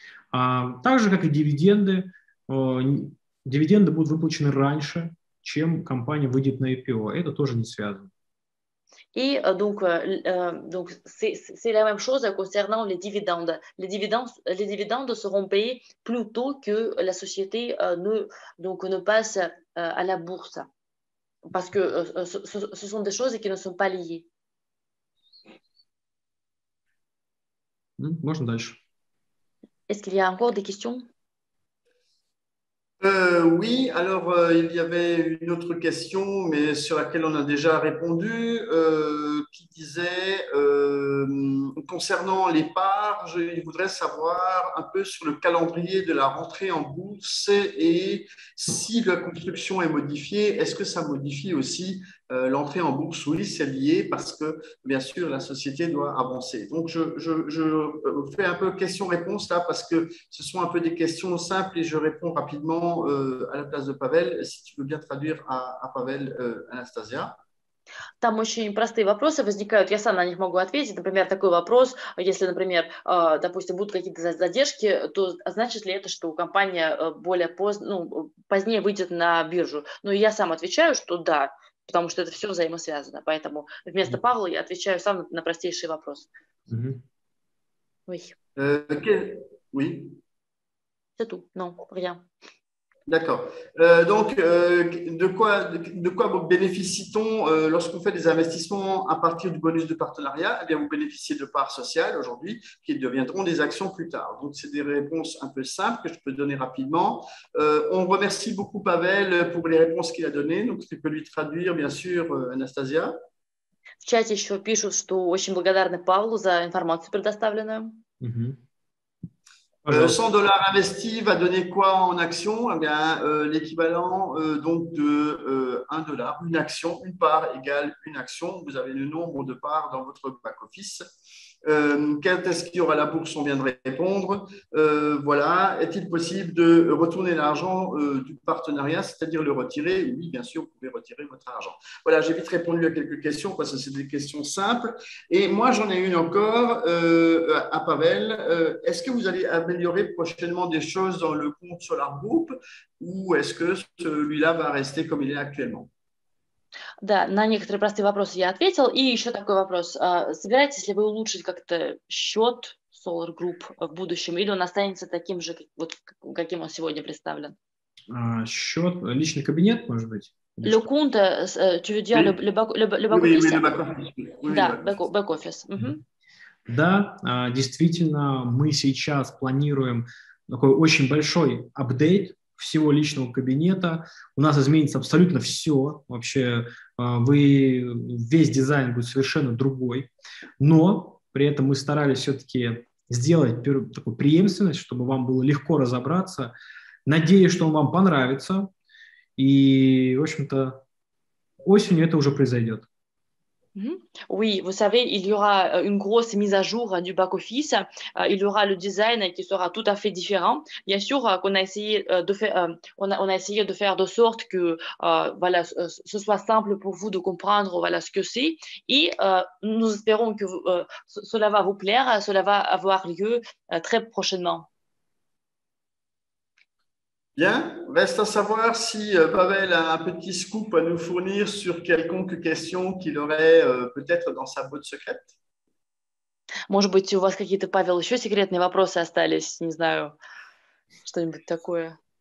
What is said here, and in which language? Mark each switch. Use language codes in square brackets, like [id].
[ru] Так же, как и дивиденды, дивиденды будут выплачены раньше, чем компания выйдет на IPO. Это тоже не связано. И, [fr] donc, c'est la même chose concernant les dividendes. Les dividendes seront payés plus tôt que la société ne passe à la bourse. Parce que ce sont des choses qui ne sont pas liées. [ru] Можно дальше. [fr] Est-ce qu'il y a encore des questions? Oui, alors il y avait une autre question, mais sur laquelle on a déjà répondu, qui disait, concernant les parts, je voudrais savoir un peu sur le calendrier de la rentrée en bourse et si la construction est modifiée, est-ce que ça modifie aussi l'entrée en bourse? Oui, c'est lié parce que, bien sûr, la société doit avancer. Donc, je fais un peu question-réponse là parce que ce sont un peu des questions simples et je réponds rapidement à la place de Pavel, si tu veux bien traduire à Pavel Anastasia. [ru] Там очень простые вопросы возникают, я сам на них могу ответить. Например, такой вопрос, если, например, допустим, будут какие-то задержки, то значит ли это, что компания более поздно, ну, позднее выйдет на биржу? Ну, я сам отвечаю, что да, потому что это все взаимосвязано. Поэтому вместо Павла я отвечаю сам на простейший вопрос. [fr] Oui. Okay. Oui. C'est tout. Non, rien. D'accord. De quoi bénéficie-t-on lorsqu'on fait des investissements à partir du bonus de partenariat? Eh bien, vous bénéficiez de parts sociales aujourd'hui qui deviendront des actions plus tard. Donc, c'est des réponses un peu simples que je peux donner rapidement. On remercie beaucoup Pavel pour les réponses qu'il a données. Donc, tu peux lui traduire, bien sûr, Anastasia. [ru] В чате еще пишут, что очень благодарны Павлу за информацию предоставленную. Mm-hmm. [fr] 100 dollars investis va donner quoi en action? Eh bien, l'équivalent donc de 1 dollar, une action, une part égale une action. Vous avez le nombre de parts dans votre back office. Quand est-ce qu'il y aura la bourse? On vient de répondre. Voilà. Est-il possible de retourner l'argent du partenariat, c'est-à-dire le retirer? Oui, bien sûr, vous pouvez retirer votre argent. Voilà, j'ai vite répondu à quelques questions parce que c'est des questions simples. Et moi, j'en ai une encore à Pavel. Est-ce que vous allez améliorer prochainement des choses dans le compte Solar Group ou est-ce que celui-là va rester comme il est actuellement? [ru] Да, на некоторые простые вопросы я ответил. И еще такой вопрос. Собираетесь ли вы улучшить как-то счет Solar Group в будущем, или он останется таким же, вот, каким он сегодня представлен? Счет, личный кабинет, может быть? [fr] Le compte, tu veux dire, le back office? Oui, [ru] да, [fr] back office. Mm-hmm. [ru] Да, действительно, мы сейчас планируем такой очень большой апдейт всего личного кабинета. У нас изменится абсолютно все. Вообще, весь дизайн будет совершенно другой. Но при этом мы старались все-таки сделать такую преемственность, чтобы вам было легко разобраться. Надеюсь, что он вам понравится. И, в общем-то, осенью это уже произойдет. [fr] Oui, vous savez, il y aura une grosse mise à jour du back-office, il y aura le design qui sera tout à fait différent. Bien sûr qu'on a essayé de faire, on a essayé de faire de sorte que voilà, ce soit simple pour vous de comprendre voilà, ce que c'est. Et nous espérons que cela va vous plaire, cela va avoir lieu très prochainement. Bien, reste à savoir si Pavel a un petit scoop à nous fournir sur quelconque question qu'il aurait peut-être dans sa boîte secrète. [ru] Может быть, у вас какие-то, Павел, еще секретные вопросы остались, не знаю, что-нибудь такое.